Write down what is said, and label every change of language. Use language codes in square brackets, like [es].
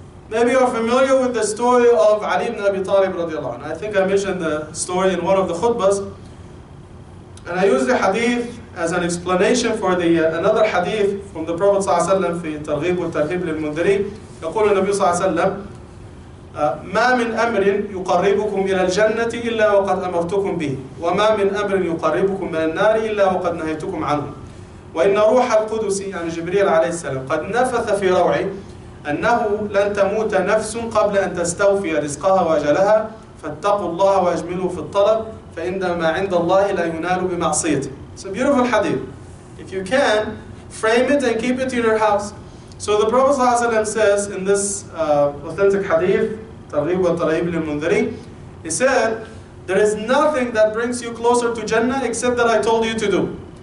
[en] Maybe you're familiar with the story of Ali ibn Abi Talib radiallahu anhu. I think I mentioned the story in one of the khutbahs. And I use the hadith as an explanation for another hadith from the Prophet sallallahu alayhi wa sallam [ar] في ترغيب والترهيب للمنذرين. يقول النبي صلى الله عليه وسلم ما من أمر يقربكم إلى الجنة إلا وقد أمرتكم به وما من أمر يقربكم من النار إلا وقد نهيتكم عنه وإن روح القدس يعني جبريل عليه السلام قد نفث في روعي أنه لن تموت نفس قبل أن تستوفي رزقها وأجلها فاتقوا الله وأجملوا في الطلب فإنما عند الله لا ينال بمعصيته. [en] It's a beautiful hadith. If you can, frame it and keep it in your house. So the Prophet ﷺ says in this authentic hadith, [ar] تَرْغِيبُ وَالتَّرَهِيبُ لِلْمُنْذَرِينَ, [en] he said, there is nothing that brings you closer to Jannah except that I told you to do.